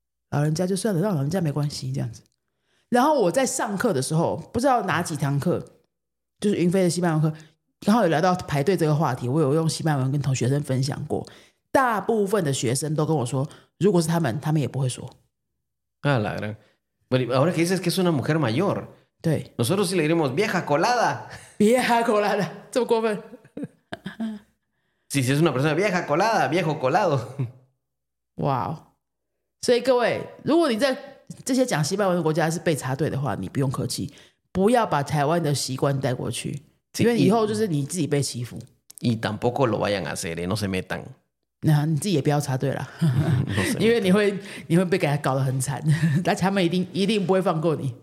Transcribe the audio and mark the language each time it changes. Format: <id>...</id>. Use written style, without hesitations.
<zh>老人家就算了，让老人家没关系这样子。然后我在上课的时候，不知道哪几堂课，就是云飞的西班牙课，刚好有聊到排队这个话题，我有用西班牙文跟同学生分享过，大部分的学生都跟我说，如果是他们也不会说。</zh> <es>啊la gran. Bueno, ahora que dices que es una mujer mayor.</es> <zh>对。</zh> <es>Nosotros sí le diremos vieja colada.</es> <zh>Vieja colada, 这么过分。</zh> <es>Sí, sí, es una persona vieja colada, viejo colado. Wow.</es> <zh>所以各位，如果你在这些讲西班牙文的国家是被插队的话，你不用客气，不要把台湾的习惯带过去，因为以后就是你自己被欺负。</zh> <es>Y tampoco lo vayan a hacer, no se metan.</es> <zh>那你自己也不要插队了，因为你会被给他搞得很惨，但他们一定不会放过你。</zh>